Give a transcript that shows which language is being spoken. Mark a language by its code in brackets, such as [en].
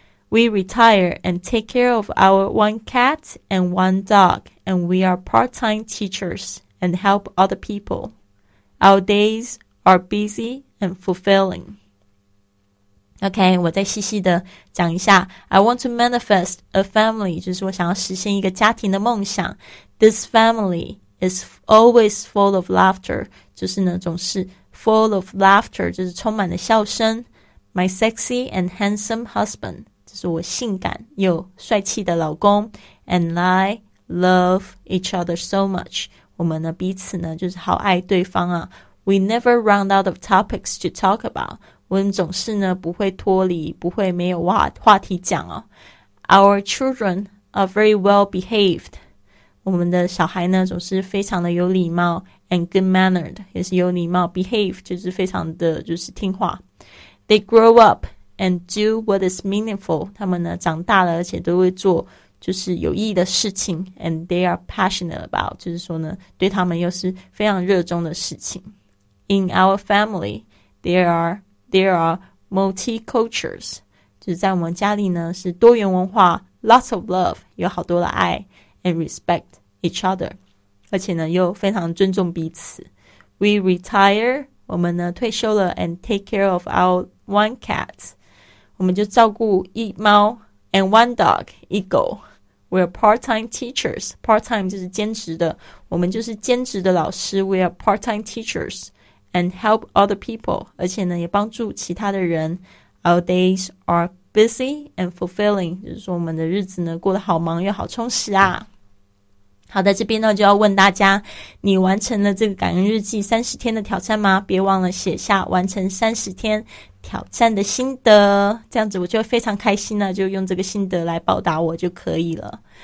[en] We retire and take care of our one cat and one dog, and we are part-time teachers and help other people. Our days are busy and fulfilling. [zh] OK, 我再细细的讲一下。 [en] I want to manifest a family, [zh] 就是我想要实现一个家庭的梦想。 [en] This family is always full of laughter, [zh] 就是呢总是 [en] full of laughter, [zh] 就是充满了笑声。 [en] My sexy and handsome husband, [zh] 就是我性感又帅气的老公。 [en] And I love each other so much. [zh] 我们呢彼此呢就是好爱对方啊。 [en] We never run out of topics to talk about. [zh] 我们总是呢不会脱离，不会没有话题讲哦。 [en] Our children are very well behaved. [zh] 我们的小孩呢总是非常的有礼貌， [en] and good mannered [zh] 也是有礼貌， behave 就是非常的就是听话。 [en] They grow up and do what is meaningful. [zh] 他们呢长大了而且都会做就是有意义的事情， [en] and they are passionate about， [zh] 就是说呢对他们又是非常热衷的事情。 [en] In our family there are multicultures， [zh] 就是在我们家里呢是多元文化， [en] lots of love， [zh] 有好多的爱， [en] and respect each other， [zh] 而且呢又非常尊重彼此。 [en] We retire， [zh] 我们呢退休了， [en] and take care of our one cat， [zh] 我们就照顾一猫， [en] and one dog， [zh] 一狗。 [en] We are part-time teachers. [zh] Part-time 就是兼职的，我们就是兼职的老师。 [en] We are part-time teachers and help other people. [zh] 而且呢，也帮助其他的人。 [en] Our days are busy and fulfilling. [zh] 就是说我们的日子呢，过得好忙又好充实啊。好的，这边呢就要问大家，你完成了这个感恩日记30天的挑战吗？别忘了写下完成30天挑战的心得，这样子我就非常开心了，就用这个心得来报答我就可以了。